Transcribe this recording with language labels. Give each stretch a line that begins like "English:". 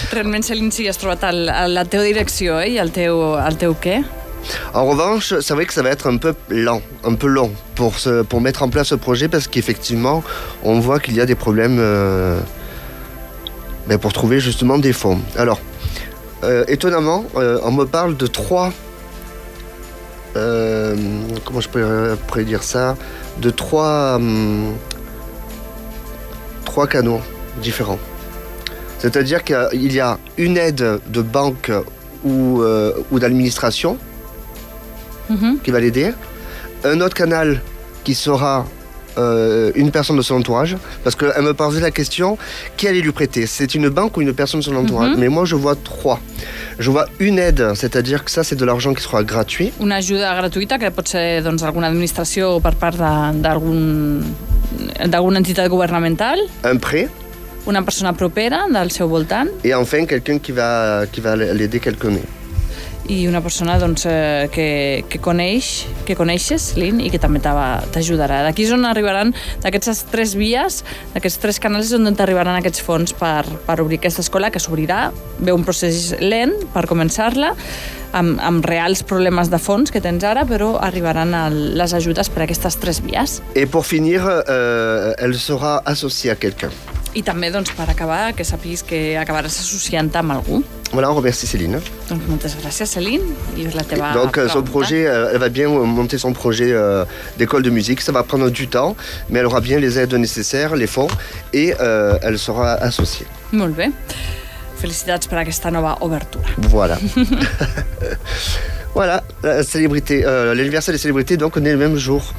Catalan: Realment, Céline, si has trobat la teva direcció i el teu què?
French: En revanche, c'est vrai que ça va être un peu lent, un peu long pour mettre en place ce projet, parce qu'effectivement, on voit qu'il y a des problèmes... Mais pour trouver justement des fonds. Alors, étonnamment, on me parle de trois... Comment je pourrais dire ça ? De trois canaux différents. C'est-à-dire qu'il y a une aide de banque ou d'administration qui va l'aider. Un autre canal qui sera... Une personne de son entourage, parce qu'elle me posait la question, qui allait lui prêter ? C'est une banque ou une personne de son entourage ? Mm-hmm. Mais moi, je vois trois. Je vois une aide, c'est-à-dire que ça, c'est de l'argent qui sera gratuit.
Catalan: Une ajuda gratuita, que pot ser doncs, alguna administració o per part d'alguna entitat governamental.
French: Un prêt.
Catalan: Una persona propera del seu voltant.
French: Et enfin, quelqu'un qui va l'aider quelques années.
Catalan: i una persona doncs, que coneixes, Lynn, i que també t'ajudarà. D'aquí és on arribaran, d'aquestes tres vies, d'aquests tres canals, on t'arribaran aquests fons per obrir aquesta escola, que s'obrirà, ve un procés lent per començar-la, amb reals problemes de fons que tens ara, però arribaran les ajudes per aquestes tres vies. I per finir,
French: elle sera associée a quelqu'un.
Catalan: I també, doncs, per acabar, que sapis que acabaràs associant amb algú.
French: Voilà, merci Céline.
Catalan: Donc, moltes gràcies, Céline. I la teva pregunta.
French: Donc, son projet, elle va bien monter son projet d'école de musique. Ça va prendre du temps, mais elle aura bien les aides nécessaires, les fonds, et elle sera associée. Molt bé. Felicitats per aquesta nova obertura. Voilà. Voilà, la célébrité, l'anniversaire des célébrités, donc, on est le même jour.